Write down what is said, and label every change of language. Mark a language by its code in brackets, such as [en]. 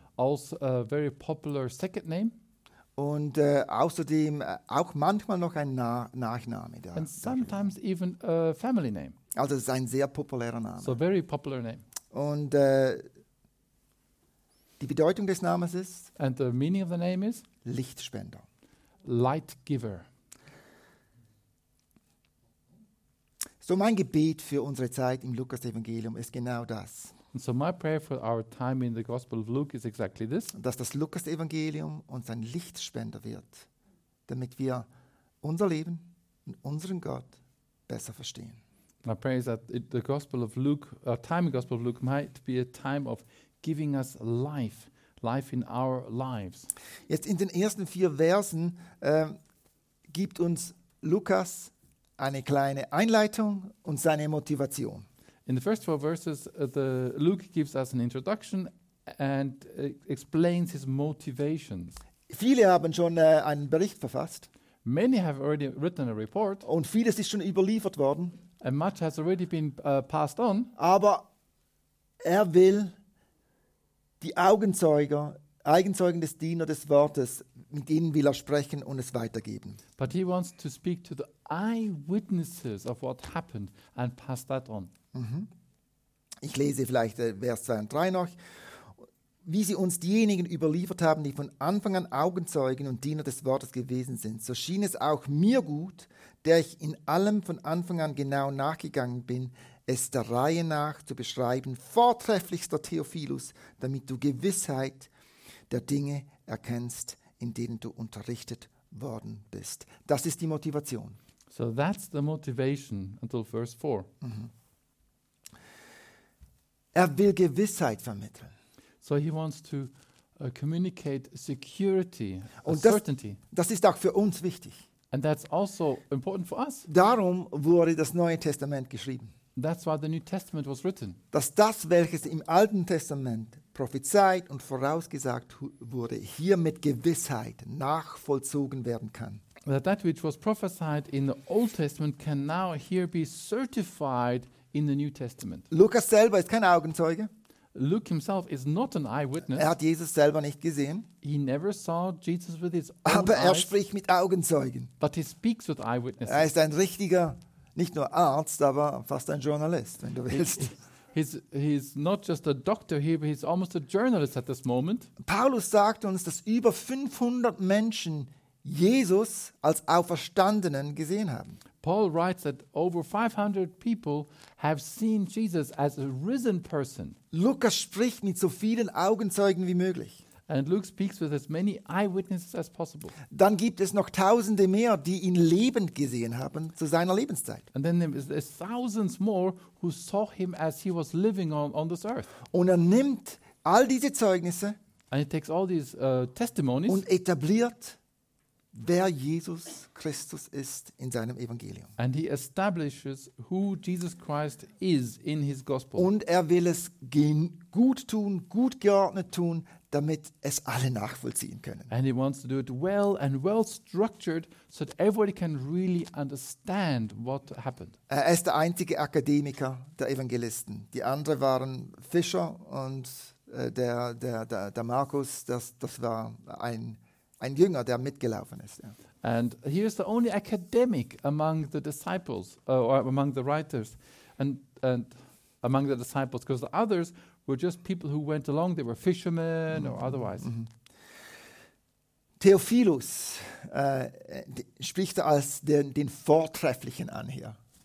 [en] Also a very popular second name. [de] Und außerdem auch manchmal noch ein Nachname der Römer. [en] And sometimes even a family name. [de] Also es ist ein sehr populärer Name. [en] So very popular name. [de] Und die Bedeutung des Namens ist? [en] And the meaning of the name is? [de] Lichtspender. [en] Light giver. [de] So mein Gebet für unsere Zeit im Lukas-Evangelium ist genau das. [en] And so my prayer for our time in the Gospel of Luke is exactly this. [de] Dass das Lukas-Evangelium uns ein Lichtspender wird, damit wir unser Leben und unseren Gott besser verstehen. [en] My prayer is that the Gospel of Luke, our time in the Gospel of Luke, might be a time of giving us life, life in our lives. [de] Jetzt in den ersten vier Versen gibt uns Lukas eine kleine Einleitung und seine Motivation. [en] In the first four verses, Luke gives us an introduction and explains his motivations. [de] Viele haben schon einen Bericht verfasst. [en] Many have already written a report. [de] Und vieles ist schon überliefert worden. [en] And much has already been passed on. [de] Aber er will die Eigenzeugen des Dieners des Wortes, mit ihnen will er sprechen und es weitergeben. [en] But he wants to speak to the eyewitnesses of what happened and pass that on. Mm-hmm. [de] Ich lese vielleicht Vers 2 und 3 noch. Wie sie uns diejenigen überliefert haben, die von Anfang an Augenzeugen und Diener des Wortes gewesen sind, so schien es auch mir gut, der ich in allem von Anfang an genau nachgegangen bin, es der Reihe nach zu beschreiben, vortrefflichster Theophilus, damit du Gewissheit der Dinge erkennst, in denen du unterrichtet worden bist. Das ist die Motivation. [en] So that's the motivation until verse 4. Mm-hmm. [de] Er will Gewissheit vermitteln. [en] So he wants to communicate security, certainty. [de] Das ist auch für uns wichtig. [en] And that's also important for us. [de] Darum wurde das Neue Testament geschrieben. [en] That's why the New Testament was written. [de] Dass das, welches im Alten Testament prophezeit und vorausgesagt wurde, hier mit Gewissheit nachvollzogen werden kann. [en] That which was prophesied in the Old Testament can now here be certified in the New Testament. [de] Lukas selber ist kein Augenzeuge. [en] Luke himself is not an eyewitness. [de] Er hat Jesus selber nicht gesehen. [en] He never saw Jesus with his own [de] Aber er [en] eyes. [de] Spricht mit Augenzeugen. [en] But he speaks with eyewitnesses. [de] Er ist ein richtiger, nicht nur Arzt, aber fast ein Journalist, wenn du willst. [en] He's not just a doctor here, but he's almost a journalist at this moment. [de] Paulus sagt uns, dass über 500 Menschen Jesus als Auferstandenen gesehen haben. [en] Paul writes that over 500 people have seen Jesus as a risen person. [de] Lukas spricht mit so vielen Augenzeugen wie möglich. [en] And Luke speaks with as many eyewitnesses as possible. [de] Dann gibt es noch tausende mehr, die ihn lebend gesehen haben zu seiner Lebenszeit. [en] And then there's thousands more who saw him as he was living on this earth. [de] Und er nimmt all diese Zeugnisse [en] and he takes all these testimonies [de] und etabliert, wer Jesus Christus ist in seinem Evangelium. [en] And he establishes who Jesus Christ is in his gospel. [de] Und er will es gut tun, gut geordnet tun, damit es alle nachvollziehen können. [en] And he wants to do it well and well structured so that everybody can really understand what happened. [de] Er ist der einzige Akademiker der Evangelisten. Die anderen waren Fischer und der Markus, das war ein Jünger, der mitgelaufen ist. Ja. [en] And he is the only academic among the disciples, or among the writers, and among the disciples, because the others were just people who went along. They were fishermen or otherwise. Mm-hmm. [de] Theophilus spricht als den Vortrefflichen an hier.